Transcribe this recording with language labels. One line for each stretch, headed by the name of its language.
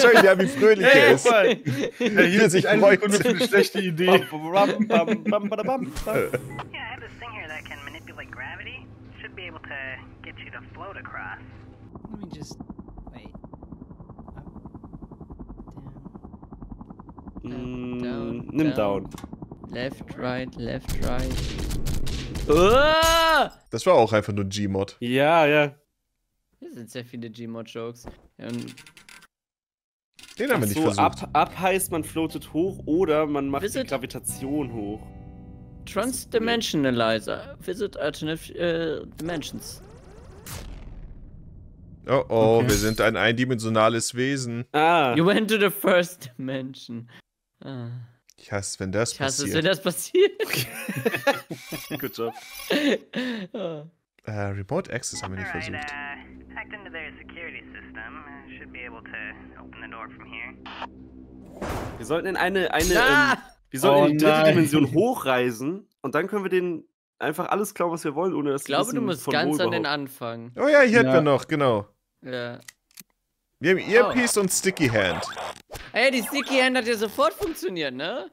German: Schau ich dir an, wie fröhlich er ist. Er hielt sich eine Sekunde für eine schlechte Idee.
English: Yeah, I have this thing here that can manipulate gravity. Should be able to get you to float across. Let me just...
German: Down, nimm down.
English: Left, right, left, right.
German: Das war auch einfach nur Gmod. Ja, ja. Hier sind sehr viele Gmod-Jokes. Den haben wir nicht versucht. Ab heißt, man floatet hoch oder man macht die Gravitation hoch.
English: Transdimensionalizer. Visit alternative dimensions.
German: Oh oh, okay. Wir sind ein eindimensionales Wesen.
English: Ah. You went to the first dimension.
German: Ah. Ich hasse, wenn das passiert.
English: Good job.
German: Remote access haben wir nicht versucht.
English: Hacked into their security system. Should be able to open the door from here.
German: Wir sollten in eine wir sollten in die dritte Dimension hochreisen und dann können wir den einfach alles klauen, was wir wollen, ohne dass ich glaube, du musst ganz an den Anfang. Oh ja, hier hätten wir noch, genau. Ja. Wir haben Earpiece und Sticky Hand. Ey, die Sticky Hand hat ja sofort funktioniert, ne?